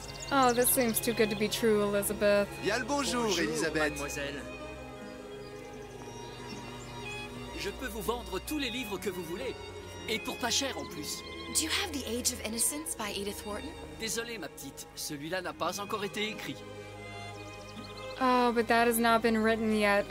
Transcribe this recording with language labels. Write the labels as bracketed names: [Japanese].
[English] Oh, this seems too good to be true, Elizabeth. [French] Bien le bonjour, Elizabeth. Mademoiselle. Je peux vous vendre tous les livres que vous voulez, et pour pas cher en plus. [English] Do you have The Age of Innocence by Edith Wharton? [French] Désolée, ma petite, celui-là n'a pas encore été écrit. [English] Oh, but that has not been written yet.